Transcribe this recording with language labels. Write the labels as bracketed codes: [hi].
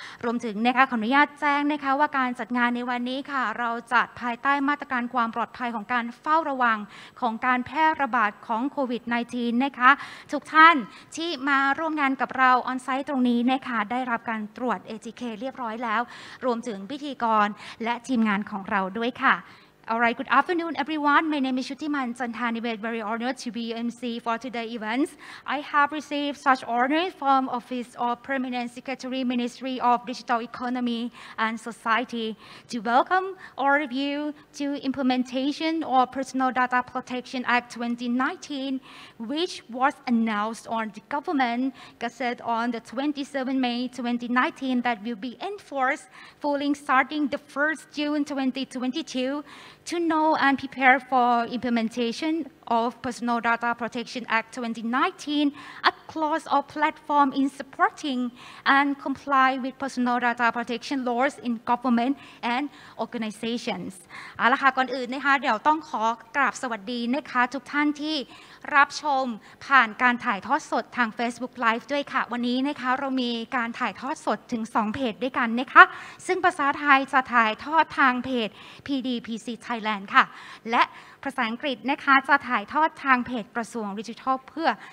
[th] รวมถึงนะคะขออนุญาตแจ้งนะคะว่าการจัดงานในวันนี้ค่ะเราจัดภายใต้มาตรการความปลอดภัยของการเฝ้าระวังของการแพร่ระบาดของโควิด-19 นะคะทุกท่านที่มาร่วมงานกับเราออนไซต์ตรงนี้นะคะได้รับการตรวจ ATK เรียบร้อยแล้วรวมถึงพิธีกรและทีมงานของเราด้วยค่ะ [en] Alright, good afternoon, everyone. My name is Shutiman Chantani. We're very honored to be MC for today's event. I have received such honor from Office of Permanent Secretary, Ministry of Digital Economy and Society to welcome all of you to implementation of Personal Data Protection Act 2019, which was announced on the government gazette on the 27 May 2019 that will be enforced fully starting the 1st June 2022. To know and prepare for implementation of Personal Data Protection Act 2019, a clause or platform in supporting and comply with personal data protection laws in government and organizations. [th] เอาละค่ะก่อนอื่นนะคะเดี๋ยวต้องขอกราบสวัสดีนะคะทุกท่านที่รับชมผ่านการถ่ายทอดสดทาง Facebook Live ด้วยค่ะวันนี้นะคะเรามีการถ่ายทอดสดถึง2เพจด้วยกันนะคะซึ่งภาษาไทยจะถ่ายทอดทางเพจ PDPC Thailand ค่ะและภาษาอังกฤษนะคะจะถ่ายทอดทางเพจกระทรวงดิจิทัลเพื่อ